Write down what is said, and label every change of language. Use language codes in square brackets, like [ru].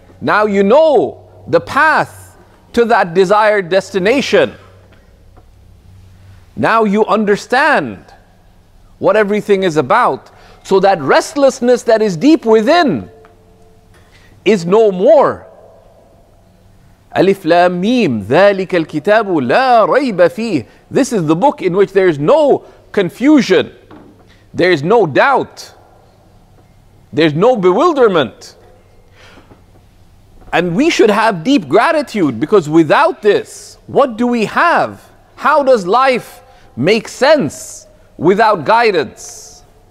[en] Now you know the path to that desired destination. Now you understand what everything is about. So that restlessness that is deep within is no more. [ar] Alif Lam Mim, ذَلِكَ الْكِتَابُ لَا رَيْبَ فِيهِ. [en] This is the book in which there is no confusion. There is no doubt. There is no bewilderment. And we should have deep gratitude, because without this, what do we have? How does life make sense without guidance?